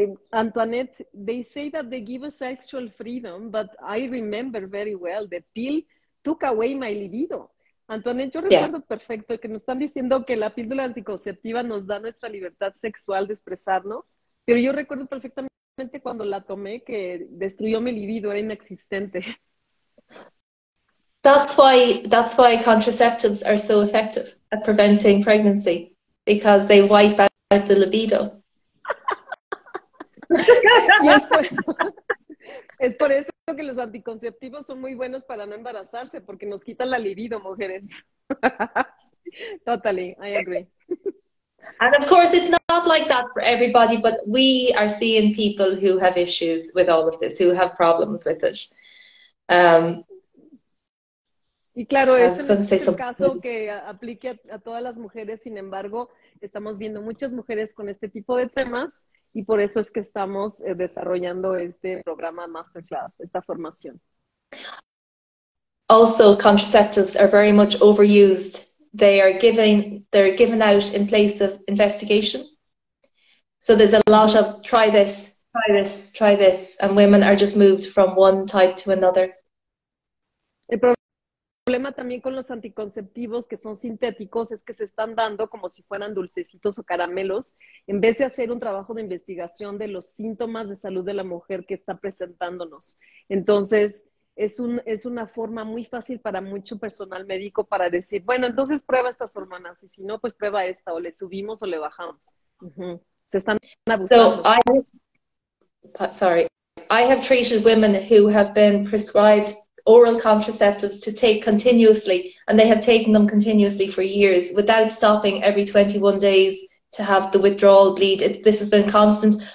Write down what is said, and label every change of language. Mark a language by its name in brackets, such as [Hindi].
[English] Antoinette, they say that they give us sexual freedom, but I remember very well the pill took away my libido. [Spanish] Antoine, yo recuerdo perfecto que nos están diciendo que la píldora anticonceptiva nos da nuestra libertad sexual de expresarnos, pero yo recuerdo perfectamente cuando la tomé que destruyó mi libido, era inexistente. [English] That's why contraceptives are so effective at preventing pregnancy, because they wipe out the libido. [Spanish] Es por eso que los anticonceptivos son muy buenos para no embarazarse, porque nos quitan la libido, mujeres. [English] Totally, I agree. And of course, it's not like that for everybody, but we are seeing people who have issues with all of this, who have problems with it. [Spanish] Y claro, este es el caso que aplique a todas las mujeres, sin embargo, estamos viendo muchas mujeres con este tipo de temas. Y por eso es que estamos desarrollando este programa Masterclass, esta formación. [English] Also, contraceptives are very much overused. They're given out in place of investigation. So there's a lot of try this, and women are just moved from one type to another. [Spanish] El problema también con los anticonceptivos que son sintéticos es que se están dando como si fueran dulcecitos o caramelos en vez de hacer un trabajo de investigación de los síntomas de salud de la mujer que está presentándonos. Entonces, es una forma muy fácil para mucho personal médico para decir, bueno, entonces prueba estas hormonas y si no, pues prueba esta o le subimos o le bajamos. Se están abusando. [English] I have treated women who have been prescribed oral contraceptives to take continuously, and they have taken them continuously for years without stopping every 21 days to have the withdrawal bleed. This has been constant.